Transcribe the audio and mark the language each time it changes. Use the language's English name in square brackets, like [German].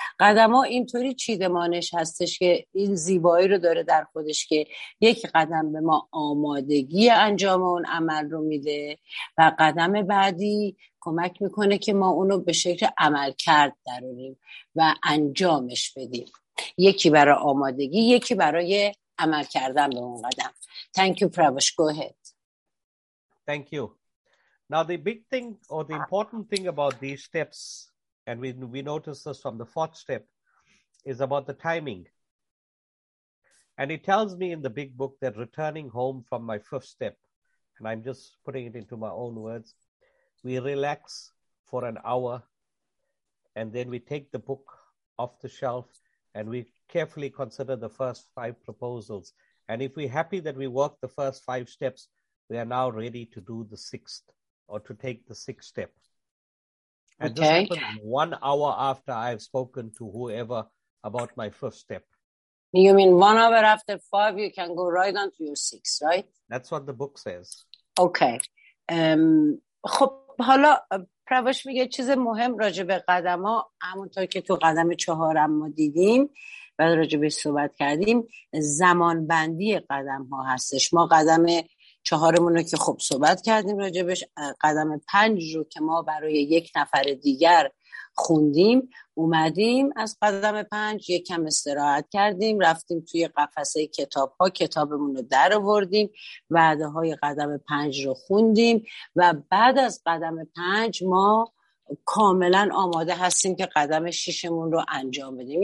[Persian] قدم‌ها اینطوری چیدمانش هستش که این زیبایی رو داره در خودش که یک قدم به ما آمادگی انجام اون عمل رو میده و قدم بعدی کمک میکنه که ما اونو به شکل عمل کرد درونیم و انجامش بدیم. یکی برای آمادگی، یکی برای عمل کردن به اون قدم. [English] Thank you, Pravash. Go ahead. Thank you. Now, the big thing or the important thing about these steps, and we notice this from the fourth step, is about the timing. And it tells me in the big book that returning home from my fifth step, and I'm just putting it into my own words, we relax for an hour, and then we take the book off the shelf, and we carefully consider the first five proposals. And if we're happy that we worked the first five steps, we are now ready to do the sixth, or to take the sixth step. And okay. This happens 1 hour after I've spoken to whoever about my first step. You mean 1 hour after five, you can go right on to your sixth, right? That's what the book says. Okay. [Persian] خب حالا پرواش میگه چیز مهم راجع به قدم ها، همونطور که تو قدم چهارم ما دیدیم و راجع به صحبت کردیم، زمان بندی قدم ها هستش. ما قدم چهارمون رو که خوب صحبت کردیم راجبش، قدم پنج رو که ما برای یک نفر دیگر خوندیم، اومدیم از قدم پنج یک کم استراحت کردیم، رفتیم توی قفسه کتاب ها، کتابمون رو در آوردیم، وعده های قدم پنج رو خوندیم و بعد از قدم پنج ما کاملا آماده هستیم که قدم ششمون رو انجام بدیم.